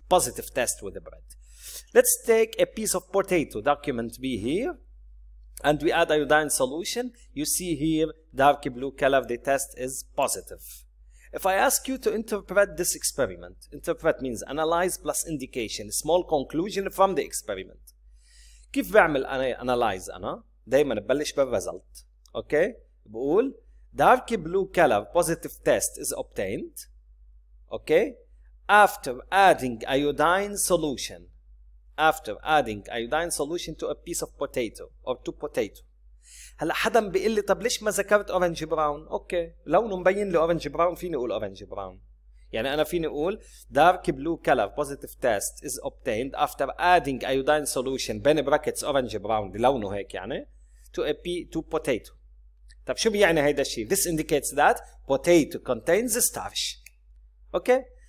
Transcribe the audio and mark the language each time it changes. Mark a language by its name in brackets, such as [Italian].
[English] Positive test with the bread. Let's take a piece of potato, document B here, and we add iodine solution. You see here, dark blue color, the test is positive. If I ask you to interpret this experiment, interpret means analyze plus indication, small conclusion from the experiment. [Arabic] كيف بعمل analyze أنا؟ دايما ببلش بالresult. [English] Okay؟ [Arabic] بقول [English] dark blue color positive test is obtained. Okay؟ After adding iodine solution. After adding iodine solution to a piece of potato or to potato. [Arabic] هلا حدا بيقول لي طب ليش ما ذكرت اورنج براون؟ اوكي لونه مبين لي اورنج براون فيني اقول اورنج براون. يعني انا فيني اقول [English] dark blue color positive test is obtained after adding iodine solution بين brackets orange brown [Arabic] لونه هيك يعني [English] to potato. [Arabic] طب شو بيعني هيدا الشيء؟ [English] This indicates that potato contains starch. Okay?